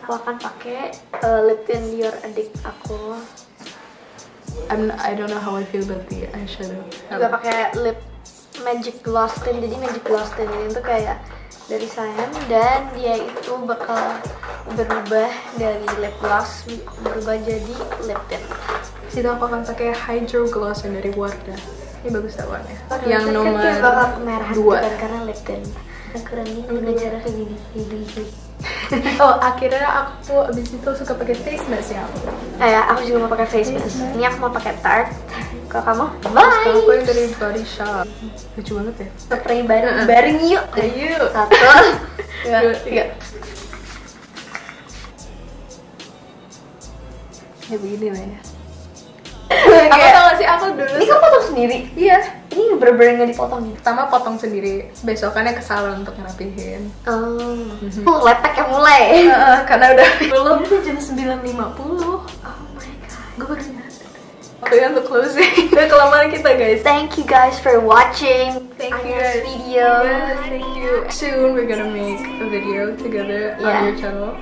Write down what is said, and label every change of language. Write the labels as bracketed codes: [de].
[id] Aku akan pakai lip tint Dior adik aku. [en] I don't know how I feel about the eyeshadow. [id] Juga pakai lip magic gloss tint. Jadi magic gloss tint ini tuh kayak dari Sayam, dan dia itu bakal berubah dari lip gloss berubah jadi lip tint. Situ aku akan pakai Hydro Gloss yang dari Wardah. Ini bagus tau warnanya. Oh, yang nomor 2 bakal kemerahan bukan karena lip tint. Kita kurangin dengan cara kayak gini. Oh, akhirnya aku tuh abis itu suka pakai face mask ya. Iya, aku juga mau pakai face mask. Ini aku mau pakai Tarte. Kalau kamu, [en] bye! [id] Sekarang aku yang dari Body Shop. Lucu banget ya. Spray bareng, bareng yuk. Ayo. Satu, dua, tiga. Kayak begini lah ya. Okay. Aku tau gak sih, aku dulu ini kan potong sendiri? Iya. Ini bener-bener gak dipotong nih? Pertama potong sendiri, besokannya ke salon untuk ngerapihin. Letek yang mulai. Karena udah belum. Ini jam 9.50. [en] Oh my god. [id] Gue baru nyatuh. Oke, untuk closing. Udah kelamaan kita guys. [en] Thank you guys for watching. Thank you guys. This video. Yes, thank you. Soon we're gonna make a video together, yeah, on your channel.